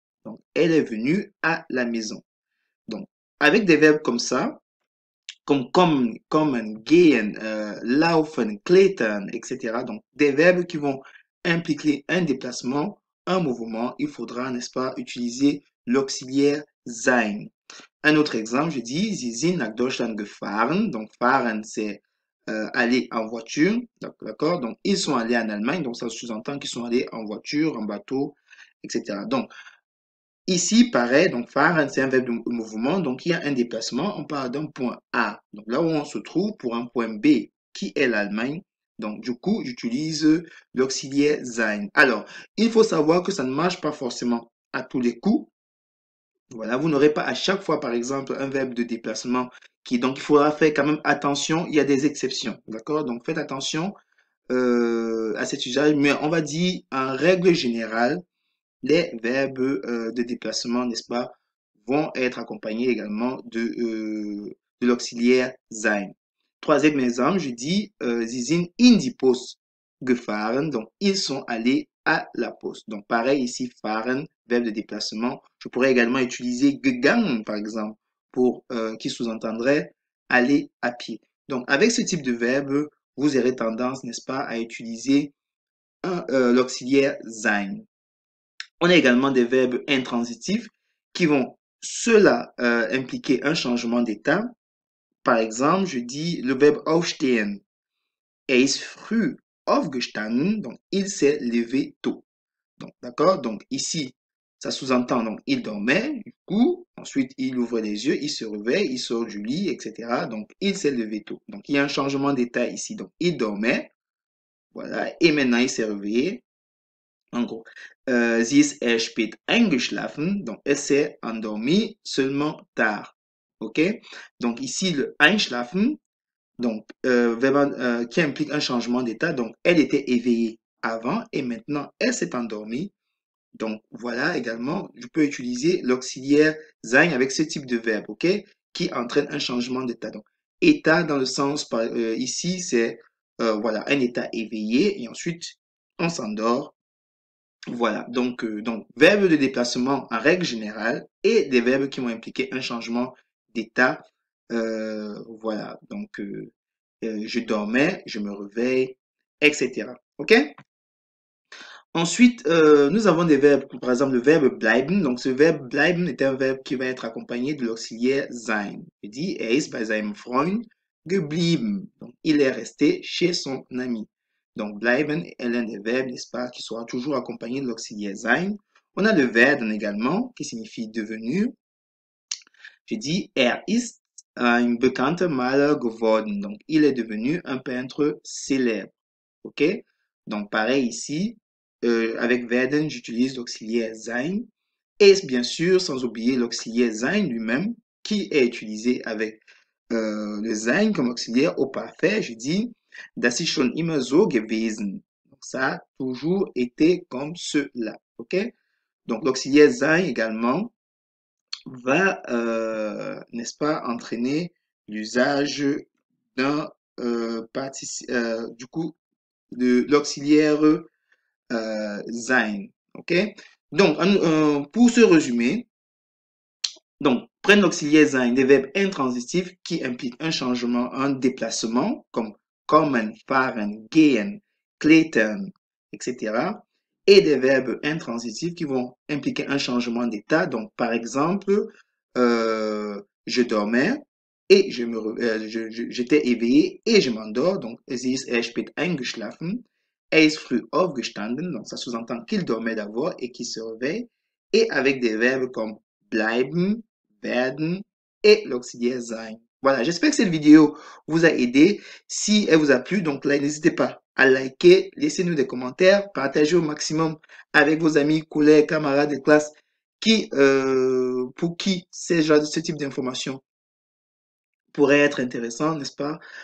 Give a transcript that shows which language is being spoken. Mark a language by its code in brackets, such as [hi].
[fr] Donc, elle est venue à la maison. Donc, avec des verbes comme ça, comme kommen, gehen, laufen, klettern, etc. Donc, des verbes qui vont impliquer un déplacement, un mouvement, il faudra, n'est-ce pas, utiliser l'auxiliaire sein. Un autre exemple, je dis, [de] sie sind nach Deutschland gefahren. [fr] Donc, fahren, c'est aller en voiture. D'accord? Donc, ils sont allés en Allemagne. Donc, ça sous-entend qu'ils sont allés en voiture, en bateau, etc. Donc, ici, pareil, donc fahren, c'est un verbe de mouvement, donc il y a un déplacement, on parle d'un point A, donc là où on se trouve pour un point B, qui est l'Allemagne, donc du coup, j'utilise l'auxiliaire sein. Alors, il faut savoir que ça ne marche pas forcément à tous les coups, voilà, vous n'aurez pas à chaque fois, par exemple, un verbe de déplacement qui, donc il faudra faire quand même attention, il y a des exceptions, d'accord? Donc faites attention à cet usage, mais on va dire en règle générale, les verbes de déplacement, n'est-ce pas, vont être accompagnés également de l'auxiliaire sein. Troisième exemple, je dis, [de] sie sind in die Post gefahren. [fr] Donc, ils sont allés à la poste. Donc, pareil ici, fahren, verbe de déplacement. Je pourrais également utiliser gegangen, par exemple, pour qui sous-entendrait aller à pied. Donc, avec ce type de verbe, vous aurez tendance, n'est-ce pas, à utiliser l'auxiliaire sein. On a également des verbes intransitifs qui vont, ceux-là, impliquer un changement d'état. Par exemple, je dis le verbe aufstehen. [de] Er ist früh aufgestanden. [fr] Donc, il s'est levé tôt. Donc, d'accord? Donc, ici, ça sous-entend, donc, il dormait, du coup. Ensuite, il ouvre les yeux, il se réveille, il sort du lit, etc. Donc, il s'est levé tôt. Donc, il y a un changement d'état ici. Donc, il dormait. Voilà. Et maintenant, il s'est réveillé. En gros, [de] sie ist erst spät eingeschlafen, [fr] donc elle s'est endormie seulement tard. Ok? Donc ici le einschlafen, donc qui implique un changement d'état, donc elle était éveillée avant et maintenant elle s'est endormie. Donc voilà également, je peux utiliser l'auxiliaire sein avec ce type de verbe, ok? Qui entraîne un changement d'état. Donc état dans le sens par, ici c'est voilà un état éveillé et ensuite on s'endort. Voilà, donc verbes de déplacement en règle générale et des verbes qui vont impliquer un changement d'état. Voilà, donc je dormais, je me réveille, etc. OK? Ensuite, nous avons des verbes, par exemple le verbe bleiben. Donc ce verbe bleiben est un verbe qui va être accompagné de l'auxiliaire sein. Il dit, [de] er ist bei seinem Freund geblieben. [fr] Donc il est resté chez son ami. Donc, bleiben est l'un des verbes, n'est-ce pas, qui sera toujours accompagné de l'auxiliaire sein. On a le werden également, qui signifie devenu. Je dis, [de] er ist ein bekannter Maler geworden. [fr] Donc, il est devenu un peintre célèbre. OK? Donc, pareil ici, avec werden, j'utilise l'auxiliaire sein. Et bien sûr, sans oublier l'auxiliaire sein lui-même, qui est utilisé avec le sein comme auxiliaire au parfait. Je dis, [de] das ist schon immer so gewesen. [fr] Ça a toujours été comme cela. Okay? Donc, l'auxiliaire sein également va, n'est-ce pas, entraîner l'usage d'un participe, du coup, de l'auxiliaire sein. Okay? Donc, pour ce résumé, donc, prennent l'auxiliaire sein des verbes intransitifs qui impliquent un changement, un déplacement, comme kommen, fahren, gehen, kleten, etc. Et des verbes intransitifs qui vont impliquer un changement d'état. Donc, par exemple, je dormais et je me, j'étais éveillé et je m'endors. [de] Donc, es ist er spät eingeschlafen. Er ist früh aufgestanden. [fr] Donc, ça sous-entend qu'il dormait d'abord et qu'il se réveille. Et avec des verbes comme bleiben, werden et l'auxiliaire sein. Voilà. J'espère que cette vidéo vous a aidé. Si elle vous a plu, donc là, n'hésitez pas à liker, laissez-nous des commentaires, partagez au maximum avec vos amis, collègues, camarades de classe, qui, pour qui ce genre de ce type d'information pourrait être intéressant, n'est-ce pas?